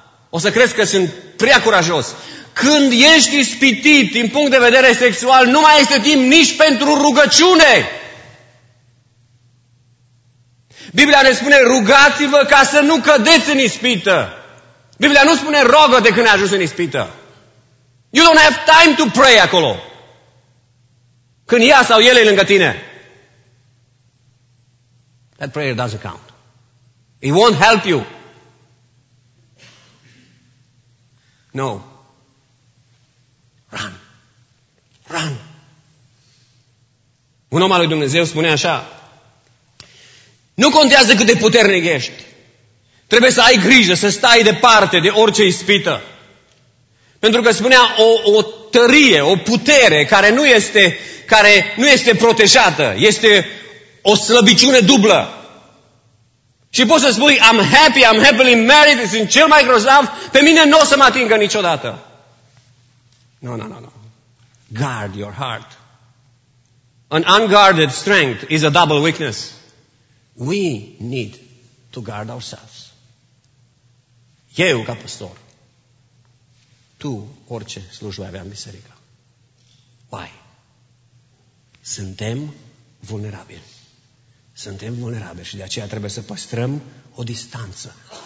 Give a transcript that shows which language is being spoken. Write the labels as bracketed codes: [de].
[ro] O să crezi că sunt prea curajos. Când ești ispitit din punct de vedere sexual, nu mai este timp nici pentru rugăciune. Biblia ne spune, rugați-vă ca să nu cădeți în ispită. Biblia nu spune, rogă-te când ai ajuns în ispită. [en] You don't have time to pray [ro] acolo. Când ea sau el e lângă tine. [en] That prayer doesn't count. It won't help you. No. Run. Run. [ro] Un om al lui Dumnezeu spune așa. Nu contează cât de puternic ești. Trebuie să ai grijă, să stai departe de orice ispită. Pentru că spunea o tărie, o putere care nu este protejată. Este o slăbiciune dublă. Și poți să spui, [en] I'm happy, I'm happily married, [ro] sunt cel mai grozav, pe mine nu o să mă atingă niciodată. [en] No, no, no, no. Guard your heart. An unguarded strength is a double weakness. We need to guard ourselves. [ro] Eu, ca pastor, tu, orice slujbă avea în biserică. [en] Why? [ro] Suntem vulnerabili. Suntem vulnerabili și de aceea trebuie să păstrăm o distanță.